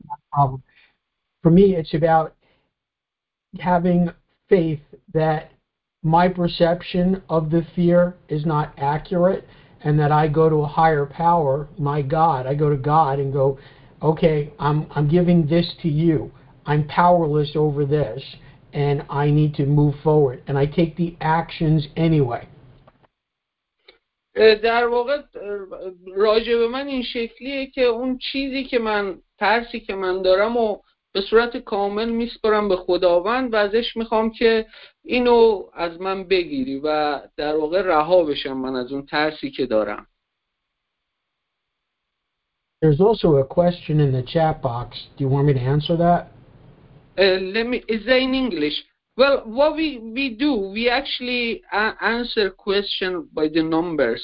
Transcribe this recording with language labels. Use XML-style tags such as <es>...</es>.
<en>For me, it's about having faith that my perception of the fear is not accurate, and that I go to a higher power, my God. I go to God and go, okay, I'm giving this to you. I'm powerless over this, and I need to move forward. And I take the actions anyway.</en> <fa>در واقع راجع به من این شکلیه که اون چیزی که من ترسی که من دارم و به صورت کامل میسپرم به خداوند و ازش میخوام که اینو از من بگیری و در واقع رها بشم من از اون ترسی که دارم.</fa> <en>There's also a question in the chat box. Do you want me to answer that? Is that in English? Well, what we do, we actually answer question by the number.</en>